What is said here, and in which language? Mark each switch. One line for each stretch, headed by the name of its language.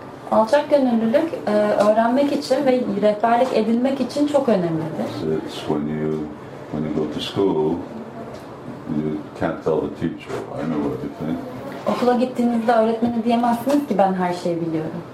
Turkish: Alçak gönüllülük öğrenmek için ve rehberlik edilmek için çok önemlidir.
English: It's when you go to school, you can't tell the teacher, I know everything.
Turkish: Okula gittiğinizde öğretmene diyemezsiniz ki ben her şeyi biliyorum.